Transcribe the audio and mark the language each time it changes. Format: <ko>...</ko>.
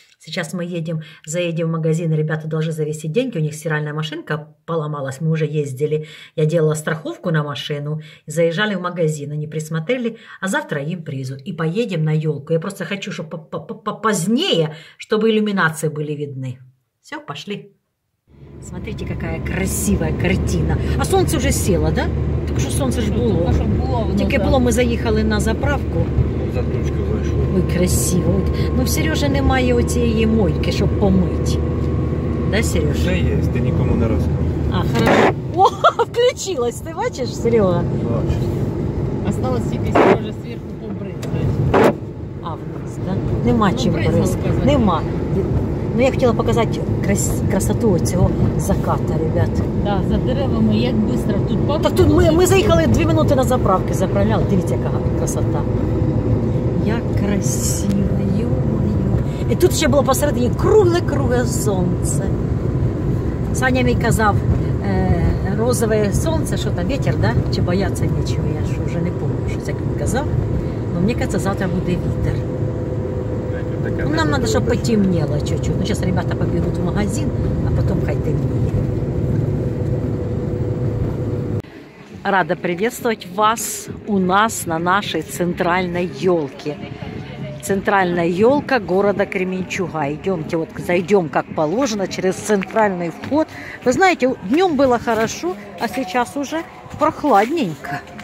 <ru>Сейчас мы едем, заедем в магазин, ребята должны завести деньги, у них стиральная машинка поломалась, мы уже ездили, я делала страховку на машину, заезжали в магазин, они присмотрели, а завтра им привезут, и поедем на елку. Я просто хочу, чтобы попозднее, чтобы иллюминации были видны. Все, пошли. Смотрите, какая красивая картина. А солнце уже село, да? Только что солнце же было. Только было, мы заехали на заправку. Ой, красиво.</ru> <uk>Ну, в Сережи немає оцієї мойки, щоб помити.</uk> <ru>Да, Сережа?</ru> <uk>Вже є, ти нікому не розказуєш. О, включилась, ти бачиш, Серега? Бачу.</uk> <ru>Осталось</ru> <uk>тільки Сережа зверху побризати.</uk> <ru>А, вниз, да?</ru> <uk>Нема чим бризкати. Нема. Ну, я хотіла показати красоту цього заката, ребят. Так, за деревами, як швидко. Тут пару. Так тут ми заїхали 2 хвилини на заправки, заправляли. Дивіться, яка красота. Як красиво, йо-йо. І тут ще було посередині кругле-круге сонце. Саня мій казав, розове сонце, що там, вітер, да? Чи бояться нічого, я ж вже не помню, що це він казав. Але мені кажется, завтра буде вітер. Ну, нам треба, щоб потемніло чуть-чуть. Ну, зараз ребята побігуть в магазин, а потім хай темніє.</uk> <ru>Рада приветствовать вас у нас на нашей центральной елке. Центральная елка города Кременчуга. Идемте, вот зайдем как положено через центральный вход. Вы знаете, днем было хорошо, а сейчас уже прохладненько.</ru>